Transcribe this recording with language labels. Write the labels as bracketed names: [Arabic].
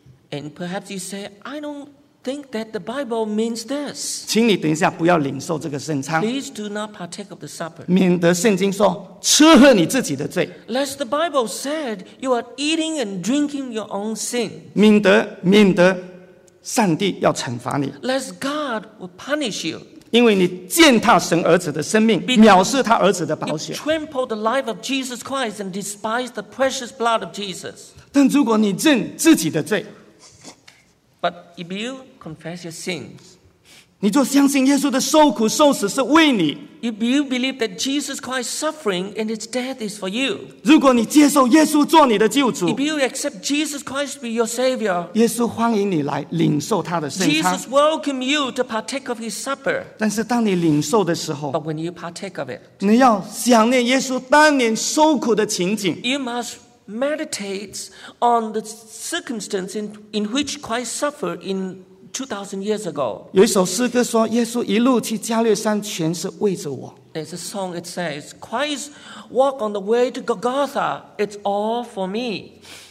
[English] And perhaps you say, I don't think that the Bible means this. [Chinese] 请你等一下不要领受这个圣餐。 [English] Please do not partake of the supper. [Chinese] 免得圣经说吃喝你自己的罪。 [English] Lest the Bible said you are eating and drinking your own sin. [Chinese] 免得上帝要惩罚你。 [English] Lest God will punish you. [Chinese] 因为你践踏神儿子的生命，藐视他儿子的宝血。 [English] You trampled the life of Jesus Christ and despised the precious blood of Jesus. [Chinese] 但如果你认自己的罪， [English] But if you confess your sins, [Chinese] 你就相信耶稣的受苦受死是为你。 [English] If you believe that Jesus Christ's suffering and his death is for you, [Chinese] 如果你接受耶稣做你的救主， [English] If you accept Jesus Christ to be your Savior, [Chinese] 耶稣欢迎你来领受他的圣餐。 [English] Jesus welcomes you to partake of his supper. [Chinese] 但是当你领受的时候， [English] But when you partake of it, [Chinese] 你要想念耶稣当年受苦的情景。 [English] You must meditate on the circumstance in which Christ suffered in 2,000 years ago. [Chinese] 有一首诗歌说，耶稣一路去加略山，全是为着我。 [English] There's a song it says, Christ walked on the way to Golgotha, it's all for me.